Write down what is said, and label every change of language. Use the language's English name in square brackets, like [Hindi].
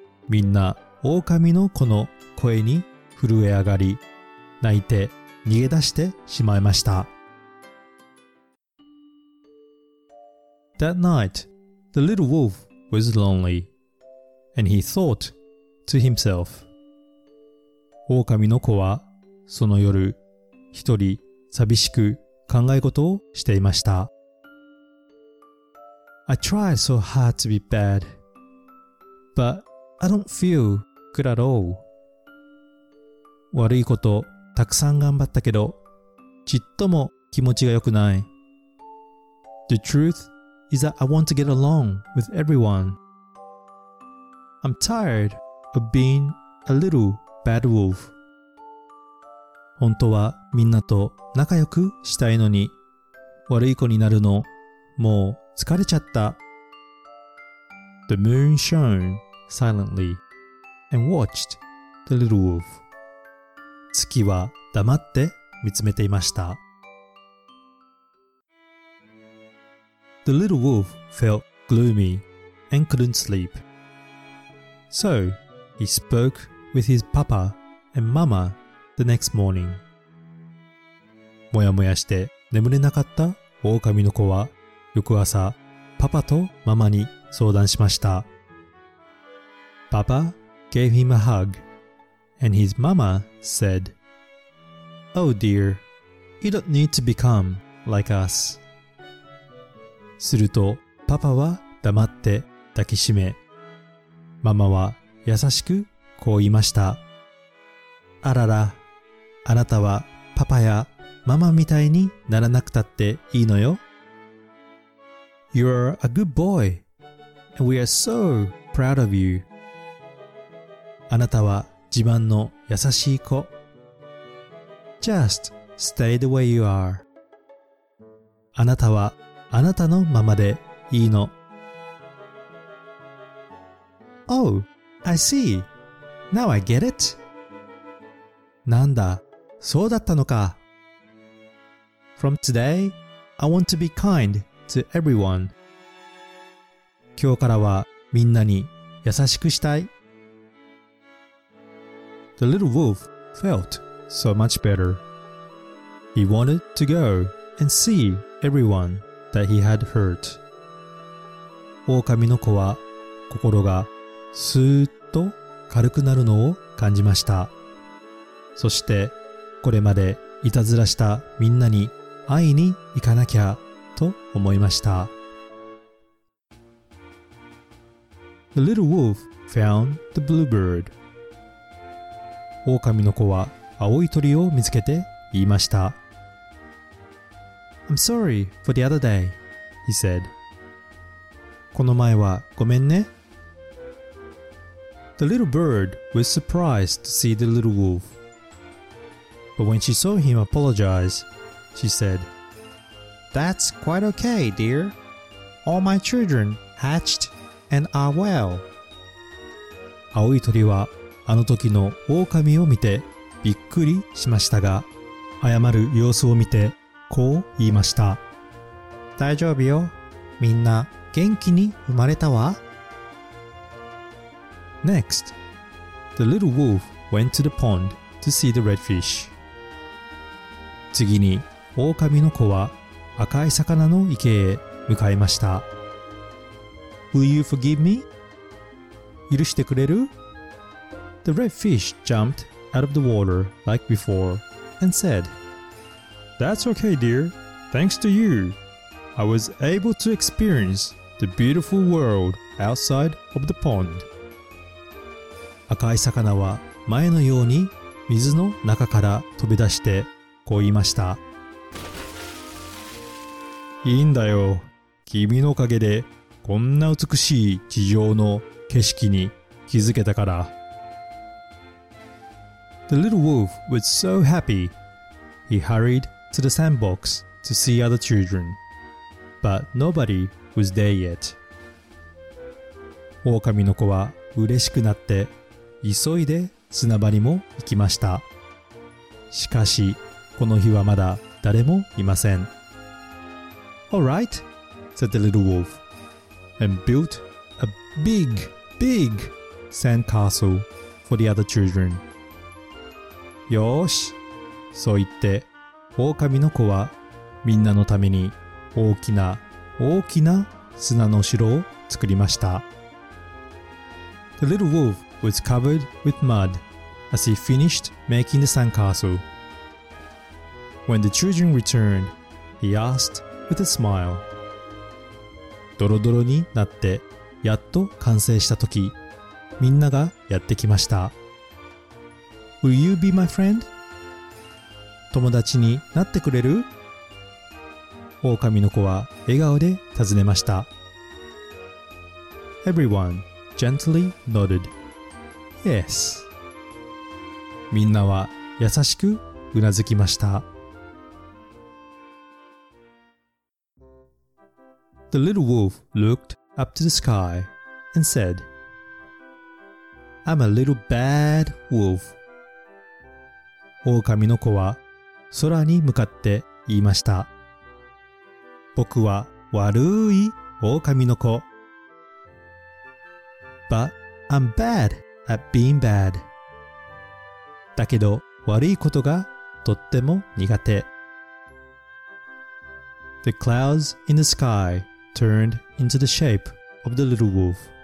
[Japanese] みんな狼の子の声に震え上がり、泣いて逃げ出してしまいました。 [English] That night, the little wolf was lonely, and he thought to himself. [Japanese] 狼の子はその夜、一人寂しく考え事をしていました。 [English] I try so hard to be bad, but I don't feel good at all. [Japanese] 悪いことたくさん頑張ったけど、ちっとも気持ちが良くない。 [English] The truth is that I want to get along with everyone. I'm tired of being a little bad wolf. [Japanese] 本当はみんなと仲良くしたいのに、悪い子になるの、もう疲れちゃった。 [English] The moon shone silently and watched the little wolf. [Japanese] 月は黙って見つめていました。 [English] The little wolf felt gloomy and couldn't sleep. So he spoke with his papa and mama the next morning. [Japanese] もやもやして眠れなかった狼の子は翌朝、パパとママに相談しました。 [English] パパ gave him a hug, and his mama said, Oh dear, you don't need to become like us. [Japanese] すると、パパは黙って抱きしめ、ママは優しくこう言いました。あらら、あなたはパパやママみたいにならなくたっていいのよ。 [English] You're a good boy, and we are so proud of you. [Japanese] あなたは自慢の優しい子。 [English] Just stay the way you are. [Japanese] あなたはあなたのままでいいの。 [English] Oh, I see. Now I get it. [Japanese] なんだ、そうだったのか。 [English] From today, I want to be kind to everyone. [Japanese] 今日からはみんなに優しくしたい。 [English] The little wolf felt so much better. He wanted to go and see everyone that he had hurt. [Japanese] 狼の子は心がスーッと軽くなるのを感じました。そしてこれまでいたずらしたみんなに会いに行かなきゃと思いました。 [English] The little wolf found the bluebird. [Japanese] 狼の子は青い鳥を見つけて言いました。 [English] I'm sorry for the other day, he said. [Japanese] この前はごめんね。 [English] The little bird was surprised to see the little wolf. But when she saw him apologize, she said, That's quite okay, dear. All my children hatched and are well. [Japanese] 青い鳥はあの時の狼を見てびっくりしましたが、謝る様子を見てこう言いました。大丈夫よ。みんな元気に生まれたわ。 [English] Next, the little wolf went to the pond to see the redfish. [Japanese] 次に、狼の子は赤い魚の池へ向かいました。 [English] Will you forgive me? [Japanese] 許してくれる? [English] The redfish jumped out of the water like before and said, That's okay, dear. Thanks to you, I was able to experience the beautiful world outside of the pond. [Japanese] 赤い魚は前のように水の中から飛び出してこう言いました。いいんだよ。君のおかげでこんな美しい地上の景色に気づけたから。 [English] The little wolf was so happy. He hurried to the sandbox to see other children. But nobody was there yet. [Japanese] 狼の子は嬉しくなって急いで砂場にも行きました。しかし、この日はまだ誰もいません。 [English] All right, said the little wolf, and built a big, big sand castle for the other children. [Japanese] よーし、そう言って、狼の子はみんなのために大きな大きな砂の城を作りました。 [English] The little wolfwas covered with mud as he finished making the sandcastle. When the children returned, he asked with a smile. [Japanese] ドロドロになってやっと完成した時、みんながやってきました。 [English] Will you be my friend? [Japanese] 友達になってくれる? 狼の子は笑顔で尋ねました。 [English] Everyone gently nodded. Yes. [Japanese] みんなは優しくうなずきました。 [English] The little wolf looked up to the sky and said, I'm a little bad wolf. [Japanese] 狼の子は空に向かって言いました。僕は悪い狼の子。 [English] But I'm bad. At being bad. [Japanese] だけど悪いことがとっても苦手。 [English] The clouds in the sky turned into the shape of the little wolf.